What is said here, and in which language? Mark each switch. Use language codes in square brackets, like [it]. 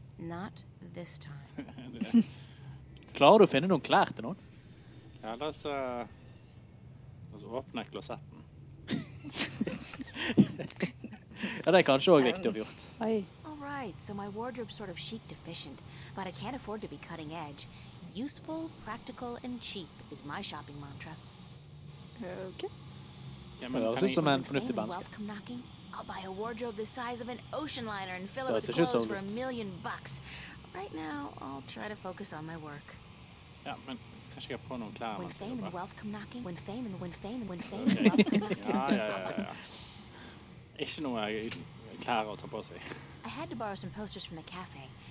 [en] Not this time. [no] Klarer du å finne noen klær til noen? Ja, la oss, åpne klosetten. Ja, det er kanskje også viktig å ha gjort. Oi. [en] Right, so my wardrobe's sort of chic deficient, but I can't afford to be cutting edge. Useful, practical, and cheap is my shopping mantra. Okay. [no] Det ser ut som en fornuftig banske. [en] I'll buy a wardrobe the size of an ocean liner and fill it with clothes for $1,000,000. Right now, I'll try to focus on my work. [no] Ja, men kanskje jeg har på noen klær. [en] When fame and wealth come knocking, when fame and wealth come knocking. [no] Ja. Ikke noe jeg klarer å ta på seg. [en] I had to borrow some posters from the cafe